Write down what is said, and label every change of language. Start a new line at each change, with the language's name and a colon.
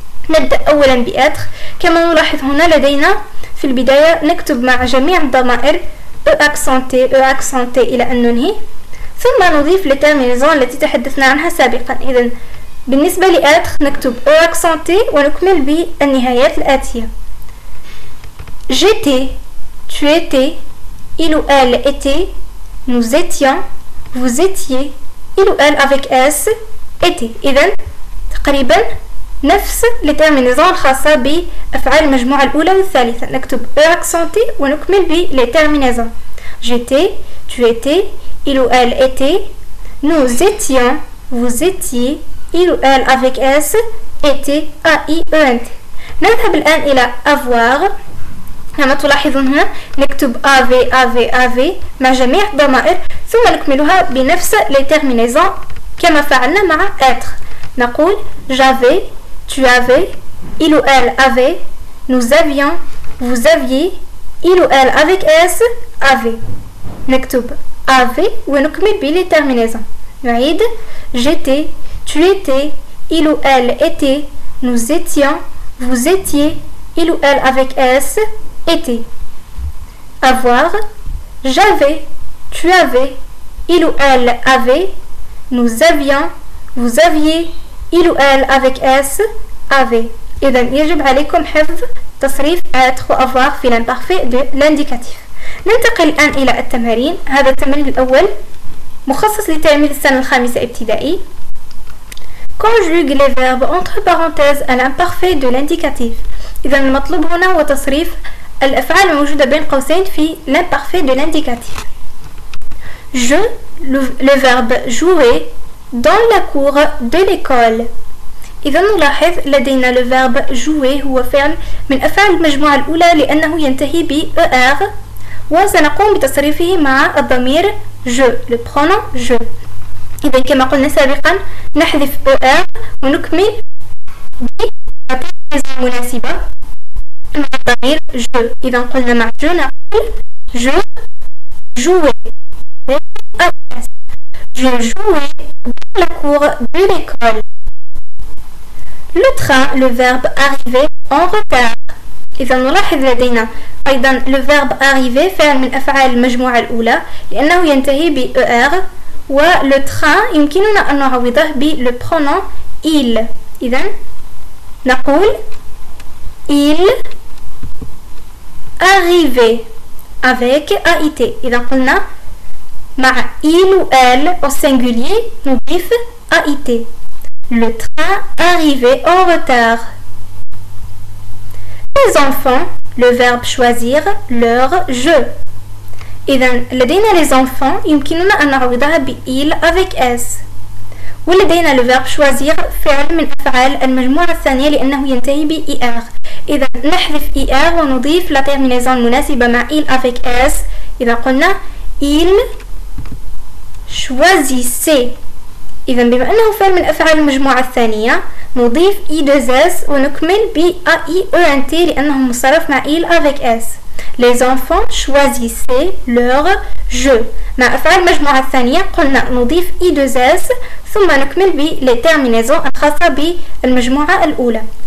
Arabic: نبدأ أولا بـ être. كما نلاحظ هنا لدينا في البداية نكتب مع جميع الضمائر E accenté E accenté إلى أن ننهي، ثم نضيف لترمينيزون التي تحدثنا عنها سابقا. إذا بالنسبة لـ être نكتب E accenté ونكمل بالنهايات الآتية.
French: J'étais, tu étais, il ou elle était, nous étions, vous étiez, il ou elle avec S était.
Arabic: إذن تقريبا نفس لترمينيزون الخاصة بأفعال المجموعة الأولى والثالثة، نكتب E accenté ونكمل بلترمينيزون.
French: J'étais, tu étais, il ou elle était, nous étions, vous étiez, il ou elle avec S était, A-I-E-N-T.
Arabic: نذهب الآن إلى avoir. كما تلاحظون هنا نكتب av av av مع جميع الضمائر ثم نكملها بنفس لترمينيزون كما فعلنا مع être.
French: نقول j'avais, tu avais, il ou elle avait, nous avions, vous aviez, il ou elle avec s avait.
Arabic: نكتب av ونكمل بلترمينيزون. نعيد
French: j'étais, tu étais, il ou elle était, nous étions, vous étiez, il ou elle avec s été. Avoir, j'avais, tu avais, il ou elle avait, nous avions, vous aviez, il ou elle avec S avait. Et donc,
Arabic: يجب عليكم حفظ تصريف
French: être ou avoir في l'imparfait de l'indicatif.
Arabic: ننتقل الآن إلى التمارين. هذا التمرين الأول مخصص لتلاميذ السنة الخامسة ابتدائي.
French: Conjugue les verbes entre parenthèses à l'imparfait de l'indicatif.
Arabic: إذا المطلوب هنا هو تصريف الأفعال الموجودة بين قوسين في
French: l'imparfait de l'indicatif. Je, le verbe jouer dans la cour de l'école.
Arabic: إذا نلاحظ لدينا
French: le verbe jouer
Arabic: هو فعل من أفعال المجموعة الأولى لأنه ينتهي ب er وسنقوم بتصريفه مع الضمير je,
French: le pronom je.
Arabic: إذا كما قلنا سابقا نحذف er ونكمل ب مناسبة مع الضمير je. إذا قلنا مع je نقول
French: je jouais. Je jouais dans la cour de l'école. Le train, le verbe arriver en retard.
Arabic: إذا نلاحظ لدينا أيضا
French: le verbe arriver
Arabic: فعل من أفعال المجموعة الأولى لأنه ينتهي ب er و le train يمكننا أن نعوضه ب
French: le pronom il.
Arabic: إذا نقول
French: il arrivé avec AIT.
Arabic: إذا قلنا مع il ou elle au singulier نضيف AIT.
French: Le train arrivait en retard. Les enfants, le verbe choisir, leur jeu.
Arabic: إذا لدينا les enfants يمكننا أن نعوضها بIl avec S. ولدينا le verbe choisir فعل من أفعال المجموعة الثانية لأنه ينتهي بIr. إذا نحذف Ir ونضيف
French: la terminaison
Arabic: المناسبة مع Il avec S. إذا قلنا
French: Il choisissait.
Arabic: إذا بما أنه فعل من أفعال المجموعة الثانية نضيف I2S ونكمل ب AIENT لأنه مصرف مع
French: IL avec S. Les enfants choisissaient leur jeu.
Arabic: مع أفعال المجموعة الثانية قلنا نضيف I2S ثم نكمل ب
French: les terminaisons
Arabic: الخاصة بالمجموعة الأولى.